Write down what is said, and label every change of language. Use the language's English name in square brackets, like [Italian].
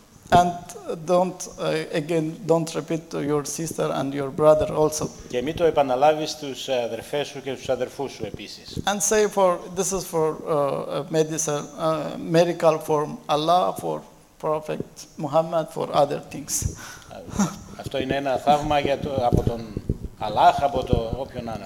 [English] And don't again don't repeat to your sister and your brother also. [Greek] Και μην το επαναλάβεις στους αδερφές σου και στους αδερφούς σου επίσης. [English] And say for this is for medicine miracle for Allah for Prophet Muhammad for other things. [Greek] Αυτό είναι ένα θαύμα από τον Αλλάχ, από το όποιον άνευ.